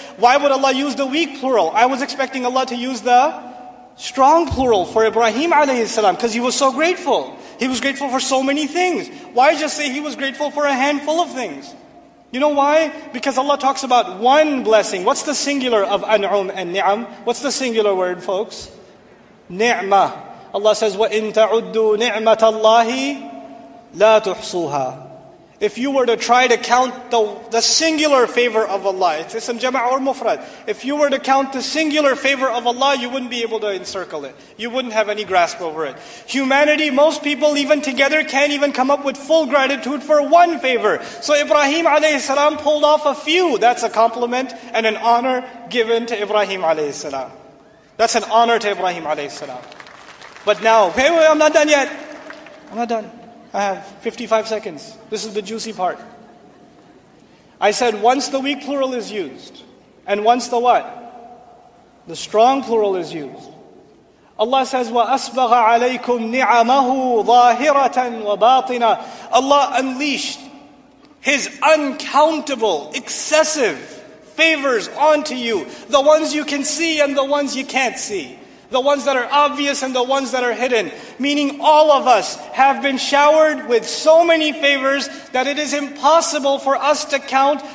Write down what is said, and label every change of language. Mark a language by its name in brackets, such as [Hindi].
[English] Why would Allah use the weak plural? I was expecting Allah to use the strong plural for Ibrahim alayhi salam because he was so grateful. He was grateful for so many things. Why just say he was grateful for a handful of things? You know why? Because Allah talks about one blessing. What's the singular of an'um and ni'am? What's the singular word, folks? Ni'mah. Allah says, [Arabic] وَإِن تَعُدُّوا نِعْمَةَ اللَّهِ لَا تُحْصُوهَا. [English] If you were to try to count the singular favor of Allah, it's ism jama' or mufrad. If you were to count the singular favor of Allah, you wouldn't be able to encircle it. You wouldn't have any grasp over it. Humanity, most people even together, can't even come up with full gratitude for one favor. So Ibrahim alayhi salam pulled off a few. That's a compliment and an honor given to Ibrahim alayhi salam. That's an honor to Ibrahim alayhi salam. But now, wait, I'm not done yet. I'm not done. I have 55 seconds. This is the juicy part. I said once the weak plural is used, and once the what? The strong plural is used. Allah says, [Arabic] وَأَسْبَغَ عَلَيْكُمْ نِعَمَهُ ظَاهِرَةً وَبَاطِنًا. [English] Allah unleashed His uncountable, excessive favors onto you. The ones you can see and the ones you can't see. The ones that are obvious and the ones that are hidden. Meaning all of us have been showered with so many favors that it is impossible for us to count.